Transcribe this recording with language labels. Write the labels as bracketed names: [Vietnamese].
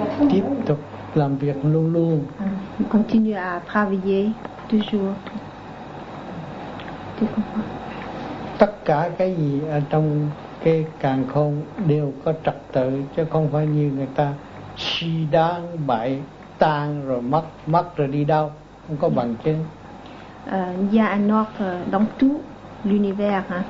[Vietnamese] Tiếp tục làm việc luôn luôn. [French] Continue à travailler toujours. [Vietnamese] Tất cả cái gì ở trong cái càn khôn đều có trật tự, chứ không phải như người ta suy đoán bậy, tan rồi mất, mất rồi đi đâu, không có bằng chứng. [French] Il y a un ordre dans tout l'univers.